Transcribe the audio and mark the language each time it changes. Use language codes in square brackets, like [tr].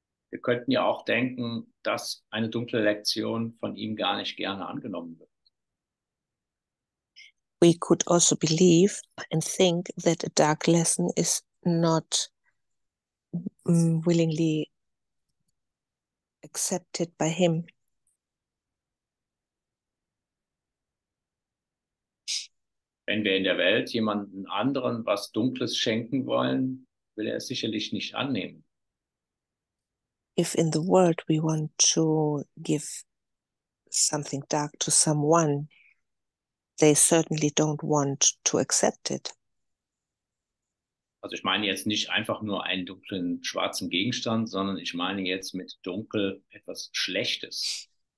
[de] Wir könnten ja auch denken, dass eine dunkle Lektion von ihm gar nicht gerne angenommen wird. [en] We could also believe and think that a dark lesson is not willingly accepted by him. [de] Wenn wir in der Welt jemanden anderen was Dunkles schenken wollen, will er es sicherlich nicht annehmen. [en] If in the world we want to give something dark to someone, they certainly don't want to accept it. [de] Also ich meine jetzt nicht einfach nur einen dunklen schwarzen Gegenstand, sondern ich meine jetzt mit dunkel etwas Schlechtes.